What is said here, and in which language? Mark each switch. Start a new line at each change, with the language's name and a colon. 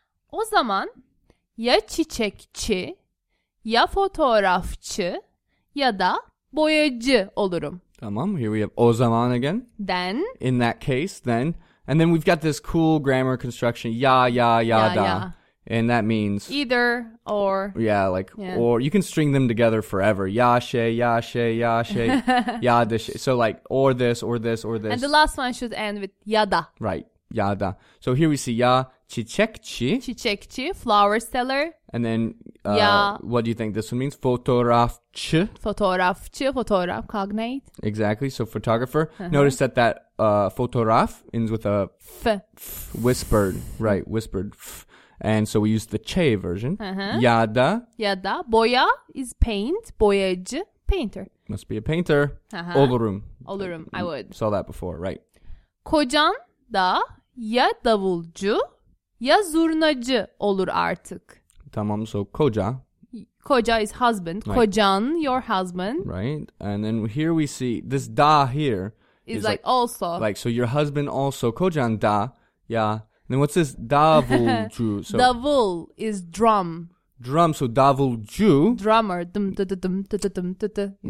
Turkish: O zaman, ya çiçekçi, ya fotoğrafçı, ya da boyacı olurum.
English: Tamam, here we have o zaman again. Then. In that case, then. And then we've got this cool grammar construction, ya, ya, ya,
Turkish: ya da. Ya.
English: And that means... Either, or... Yeah, like, yeah. or... You can string them together forever. Ya, she, ya, she, ya, she, ya, da, she. So, like, or this, or this, or this. And the last one should end with ya da. Right,
Turkish: ya da.
English: So, here we see ya, çiçekçi. Çiçekçi, flower seller. And then, ya. What do you think this one means? Fotoğrafçı.
Turkish: Fotoğrafçı, fotoğraf, cognate.
English: Exactly, so photographer. Uh-huh. Notice that... fotoğraf ends with a f, f whispered, right, whispered f. And so we use the ç version. Uh-huh.
Turkish: Ya da. Ya da. Boya
English: is paint.
Turkish: Boyacı,
English: painter. Must be a painter. Uh-huh.
Turkish: Olurum.
English: Olurum, I would. Saw that before, right.
Turkish: Kocan da ya davulcu ya zurnacı olur artık.
English: Tamam, so koca. Koca is husband. Right. Kocan, your husband. Right, and then here we see this da here. Is like also. Like, so your husband also.
Turkish: Kocan da.
English: Yeah. And then what's this? Davulcu. So davul is drum. drum, so davulcu. Drummer. Dum, dum, dum, dum, dum, dum, dum, dum, dum,